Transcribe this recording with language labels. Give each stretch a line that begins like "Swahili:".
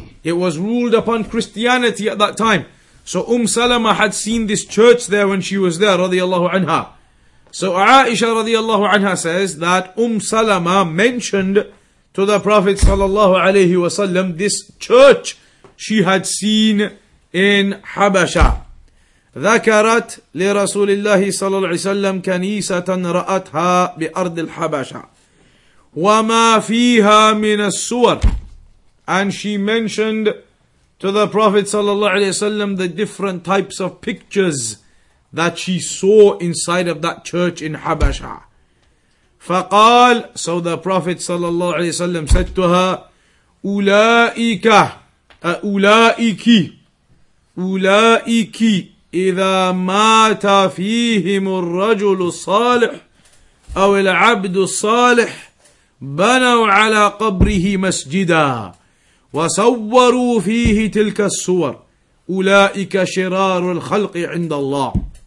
English: It was ruled upon Christianity at that time. So Salama had seen this church there when she was there, radiallahu anha. So Aisha radiallahu anha says that Salama mentioned to the Prophet sallallahu alayhi wasallam this church she had seen in Habasha.
Arabic: ذكرت لرسول الله صلى الله عليه وسلم كنيسة رأتها بأرض الحبشة وما فيها من السور.
English: And she mentioned to the Prophet
Arabic: صلى الله عليه وسلم
English: the different types of pictures that she saw inside of that church in Habasha.
Arabic: فقال,
English: so the Prophet
Arabic: صلى الله عليه وسلم
English: said to her,
Arabic: أولئك إِذَا مَاتَ فِيهِمُ الرَّجُلُ الصَّالِحُ أَوِ الْعَبْدُ الصَّالِحُ بَنَوْا عَلَى قَبْرِهِ مَسْجِدًا وَصَوَّرُوا فِيهِ تِلْكَ السُّوَرُ أُولَٰئِكَ شِرَارُ الْخَلْقِ عِنْدَ اللَّهِ.